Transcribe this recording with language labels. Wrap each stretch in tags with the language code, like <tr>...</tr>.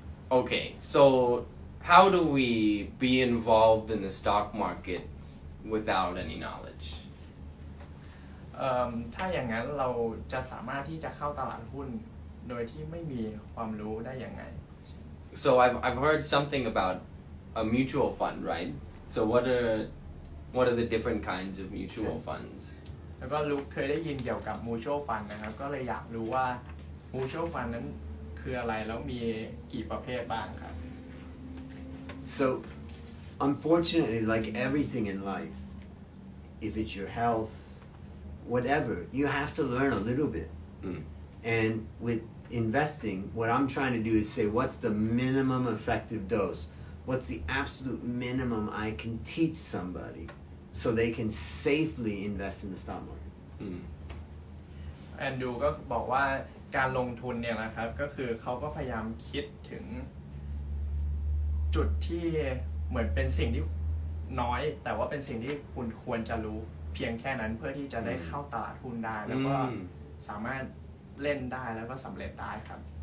<en>โอเค so how do we be involved in the stock market without any knowledge</en> <th>ถ้าอย่างนั้นเราจะสามารถที่จะเข้าตลาดหุ้นโดยที่ไม่มีความรู้ได้ยังไง</th> <en>so I've heard something about a mutual fund right so what are the different kinds of mutual funds</en> <th>แล้วก็ลูกเคยได้ยินเกี่ยวกับ mutual fund นะครับก็เลยอยากรู้ว่า mutual fund นั้นคืออะไรแล้วมีกี่ประเภทบ้างครับ</th> <en>so unfortunately like everything in life if it's your health whatever you have to learn a little bit and with investing what I'm trying to do is say what's the minimum effective dose what's the absolute minimum I can teach somebody so they can safely invest in the stock market</en> <th>and Andrew ก็บอกว่าการลงทุนเนี่ยนะครับก็คือเขาก็พยายามคิดถึงจุดที่เหมือนเป็นสิ่งที่น้อยแต่ว่าเป็นสิ่งที่คุณควรจะรู้เพียงแค่นั้นเพื่อที่จะได้เข้าตลาดหุ้นได้แล้วก็สามารถเล่นได้แล้วก็สำเร็จได้ครับ</th>